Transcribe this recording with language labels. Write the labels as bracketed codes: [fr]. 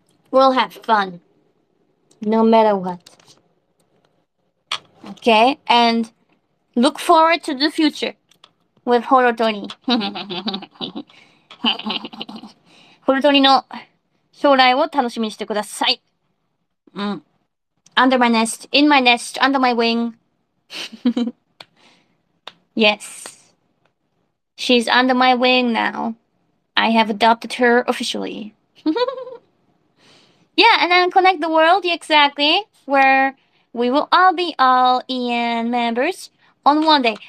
[en] We'll have fun, no matter what. Okay, and look forward to the future with Horotoni. [ja] Horotoni の将来を楽しみにしてください。 [en] Under my nest, in my nest, under my wing. Yes. She's under my wing now. I have adopted her officially. Yeah, and then connect the world, exactly, where we will all be all EN members on one day.